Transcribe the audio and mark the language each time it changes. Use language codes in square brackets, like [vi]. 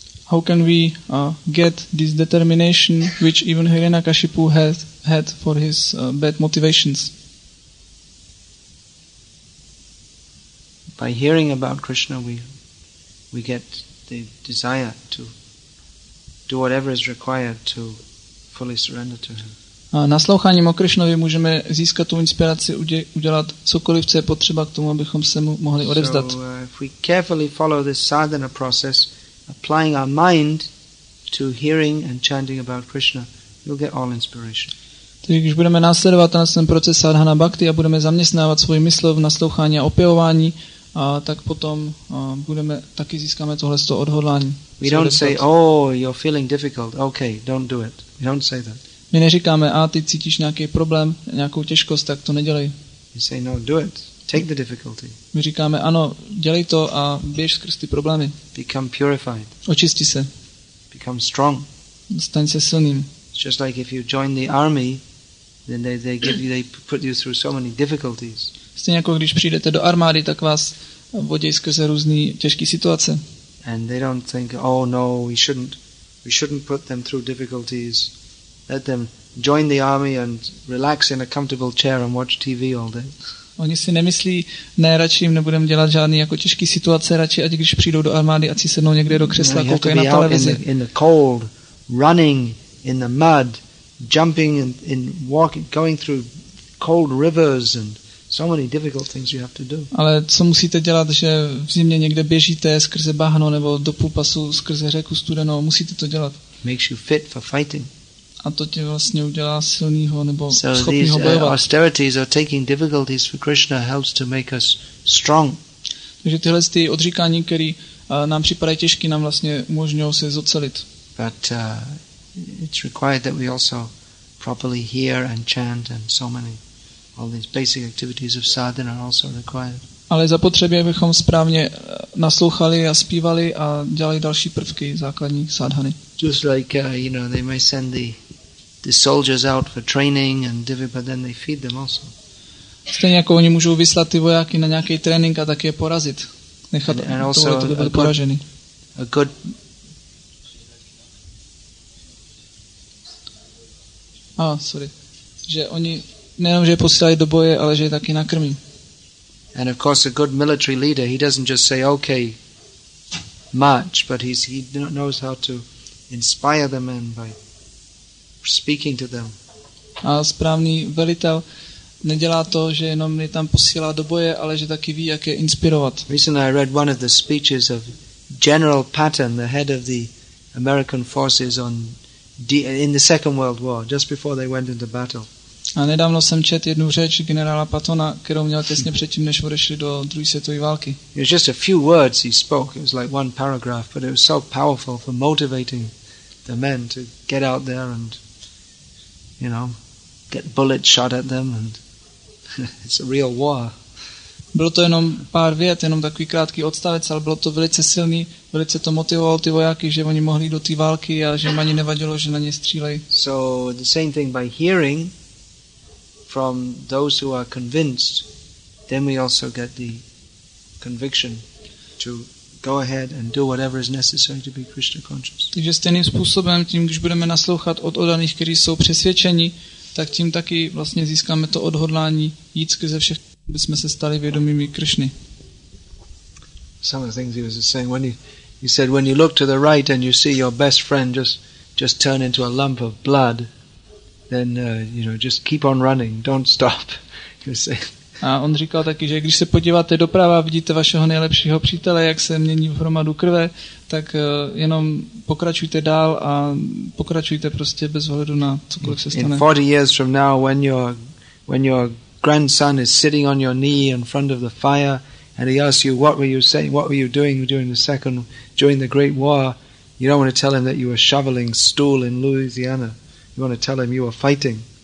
[en] How can we get this determination which even Hiranyakashipu had for his bad motivations? By hearing about Krishna, we get the desire to do whatever is required to fully surrender to him. [cs] Nasloucháním o Krishnovi můžeme získat tu inspiraci udělat cokoliv, co je potřeba k tomu, abychom se mu mohli odevzdat. [en] So, if we carefully follow this sadhana process, applying our mind to hearing and chanting about Krishna, you'll get all inspiration. [cs] Takže když budeme následovat ten proces sadhana bhakti a budeme zaměstnávat svůj mysl v naslouchání a opěvování, tak potom budeme taky získáme tohle z toho odhodlání. [en] We don't say, oh, you're feeling difficult. Okay, don't do it. We don't say that. [cs] My neříkáme, a ty cítíš nějaký problém, nějakou těžkost, tak to nedělej. [en] We say, no, do it. Take the difficulty. [cs] My říkáme, ano, dělej to a běž skrz ty problémy. [en] Become purified. [cs] Očisti se. [en] Become strong. [cs] Staň se silným. [en] It's just like if you join the army, then they put you through so many difficulties. [cs] Stejně jako když přijdete do armády, tak vás vodí skrze různé těžké situace. [en] And they don't think, oh no, we shouldn't put them through difficulties. Let them join the army and relax in a comfortable chair and watch TV all day. [cs] Oni si nemyslí, ne, radši jim nebudeme dělat žádný jako těžké situace, radši ať když přijdou do armády, ať si sednou někde do křesla, no, koukají na televizi. [en] In the cold, running in the mud, jumping in walking, going through cold rivers and so many difficult things you have to do. [cs] Ale co musíte dělat, že v zimě někde běžíte skrze bahno nebo do půlpasu skrze řeku studenou, musíte to dělat. [en] Makes you fit for fighting. [cs] A to tě vlastně udělá silnýho nebo [en] so [cs] schopnýho [en] these, [cs] bojovat. [en] Austerities or taking difficulties for Krishna helps to make us strong. [cs] Takže tyhle ty odříkání, které nám připadají těžké, nám vlastně umožňují se zocelit. [en] But it's required that we also properly hear and chant and so many. All these basic activities of sadhana are also required. [cs] Ale zapotřebí, abychom správně naslouchali a zpívali a dělali další prvky základní sadhany. [en] Just like you know, they may send the soldiers out for training and divi, but then they feed them also. [cs] Stejně jako oni můžou vyslat ty vojáky na nějaký trénink a taky je porazit, nechat [en] and also [cs] to být poražený. Že oni nejenom, že je posílají do boje, ale že je taky nakrmí. [en] And of course a good military leader, he doesn't just say okay, march, but he knows how to inspire the men by speaking to them. [cs] A správný velitel nedělá to, že jenom mě tam posílá do boje, ale že taky ví, jak je inspirovat. [en] Recently I read one of the speeches of General Patton, the head of the American forces on in the Second World War, just before they went into battle. [cs] A nedávno jsem četl jednu řeč generála Pattona, kterou měl těsně předtím, než odešli do druhé světové války. [en] It was just a few words he spoke. It was like one paragraph, but it was so powerful for motivating the men to get out there and, you know, get bullets shot at them, and it's a real war. [cs] Bylo to jenom pár vět, jenom takový krátký odstavec, ale bylo to velice silný, velice to motivovalo ty vojáky, že oni mohli do té války a že jim ani nevadilo, že na ně střílej. [en] So the same thing by hearing from those who are convinced, then we also get the conviction to go ahead and do whatever is necessary to be Krishna conscious. [cs] Takže stejným způsobem, tím, když budeme naslouchat od odaných, kteří jsou přesvědčeni, tak tím taky vlastně získáme to odhodlání jít skrze všech, aby jsme se stali vědomými Krišny. [en] Some of the things he was saying, when he said, when you look to the right and you see your best friend just turn into a lump of blood, then you know, just keep on running, don't stop. [cs] A on říkal taky, že když se podíváte doprava, vidíte vašeho nejlepšího přítele, jak se mění v hromadu krve, tak jenom pokračujte dál a pokračujte prostě bez ohledu na cokoliv se stane. [en] In 40 years from now, when your grandson is sitting on your knee in front of the fire and he asks you, what were you saying, what were you doing during the Great War, you don't want to tell him that you were shoveling stool in Louisiana. You want to tell him you were fighting.